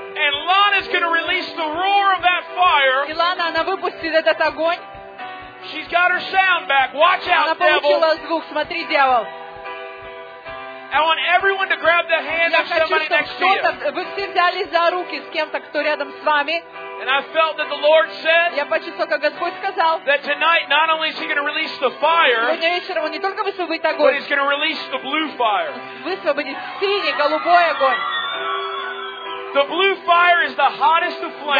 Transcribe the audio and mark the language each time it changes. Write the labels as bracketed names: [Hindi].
[English] And Lana's gonna release the roar of that fire. [Russian] И Лана, она выпустит этот огонь. [English] She's got her sound back. Watch out, [Russian] она получила звук. Смотри, дьявол. [English] I want everyone to grab the hand of somebody next to you. [Russian] Вы все взялись за руки с кем-то, кто рядом с вами. [English] And I felt that the Lord said. [Russian] Я почувствовал, как Господь сказал. [English] That tonight, not only is He going to release the fire. [Russian] Сегодня вечером Он не только высвободит огонь. [English] But He's going to release the blue fire. [Russian] Высвободит синий, голубой огонь. [English] The blue fire is the hottest of flames.